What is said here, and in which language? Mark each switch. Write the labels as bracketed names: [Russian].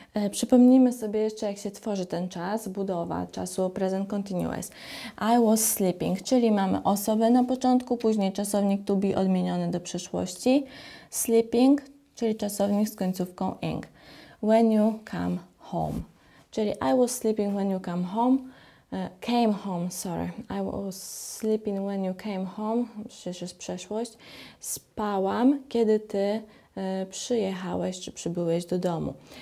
[Polish] Przypomnijmy sobie jeszcze, jak się tworzy ten czas, budowa czasu present continuous. [English] I was sleeping, [Polish] czyli mamy osobę na początku, później czasownik to be odmieniony do przeszłości. Sleeping, czyli czasownik z końcówką ing. [English] When you come home, czyli I was sleeping when you come home. Came home, sorry. I was sleeping when you came home, [Polish] przecież jest przeszłość. Spałam, kiedy ty przyjechałeś czy przybyłeś do domu.